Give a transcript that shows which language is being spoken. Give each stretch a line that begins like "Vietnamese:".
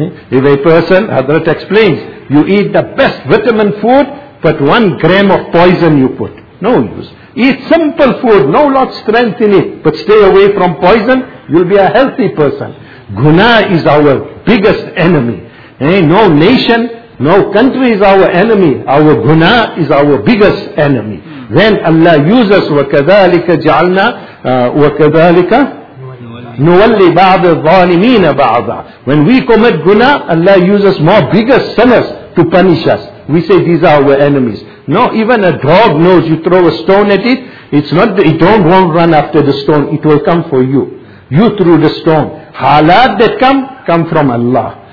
English: If a person, Hadrat explains, you eat the best vitamin food, but 1 gram of poison you put, no use. Eat simple food, no lot strength in it, but stay away from poison, you'll be a healthy person. Guna is our biggest enemy. No nation, no country is our enemy. Our guna is our biggest enemy. Then Allah uses
Arabic: وَكَذَلِكَ جَعَلْنَا وَكَذَلِكَ نُوَلِّ بَعْضَ الظَّالِمِينَ بَعْضًا.
English: When we commit guna, Allah uses more biggest sinners to punish us. We say these are our enemies. No, even a dog knows, you throw a stone at it, it's not, it don't want to run after the stone, it will come for you. You threw the stone. Halat that come from Allah.